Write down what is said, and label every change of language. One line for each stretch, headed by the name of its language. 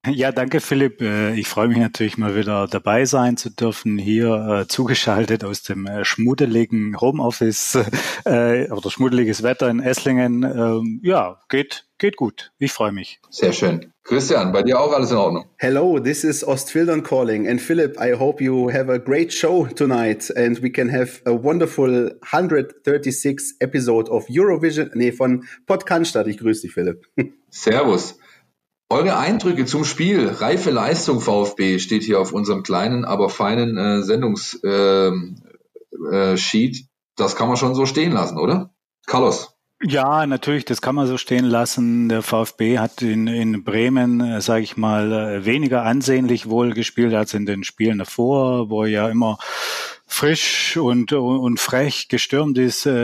German: Ja, danke Philipp. Ich freue mich natürlich mal wieder dabei sein zu dürfen, hier zugeschaltet aus dem schmuddeligen Homeoffice oder schmuddeliges Wetter in Esslingen. Ja, geht gut. Ich freue mich. Sehr schön. Christian, bei dir auch alles in Ordnung?
English: Hello, this is Ostfildern calling. And Philipp, I hope you have a great show tonight and we can have a wonderful 136th episode of Eurovision,
German: von Podcast. Ich grüße dich, Philipp. Servus. Eure Eindrücke zum Spiel, reife Leistung VfB, steht hier auf unserem kleinen, aber feinen Sendungssheet. Das kann man schon so stehen lassen, oder? Carlos? Ja, natürlich, das kann man so stehen lassen. Der VfB hat in Bremen, sage ich mal, weniger ansehnlich wohl gespielt als in den Spielen davor, wo er ja immer frisch und frech gestürmt ist.